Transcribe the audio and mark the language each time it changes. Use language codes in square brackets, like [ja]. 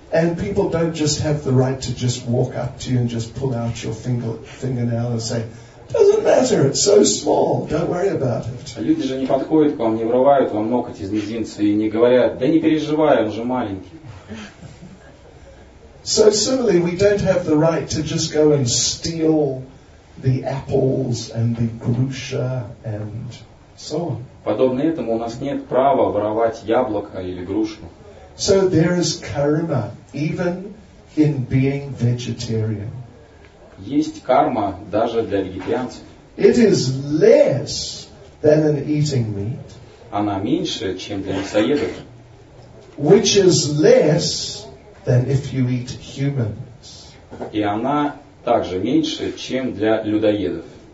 [en] And people don't just have the right to just walk up to you and just pull out your fingernail and say, doesn't matter, it's so small, don't worry about it. [ru] Люди же не подходят к вам, не вырывают вам ноготь из мизинца и не говорят, да не переживай, он же маленький. [en] So similarly, we don't have the right to just go and steal the apples and the grusha and so on. [ru] Подобно этому, у нас нет права воровать яблоко или грушу. [en] So there is karma even in being vegetarian. [ru] Есть карма даже для вегетарианцев. [en] It is less than in eating meat. [ru] Она меньше, чем для мясоедов. [en] Which is less than if you eat humans. [ru] И она также меньше, чем для людоедов.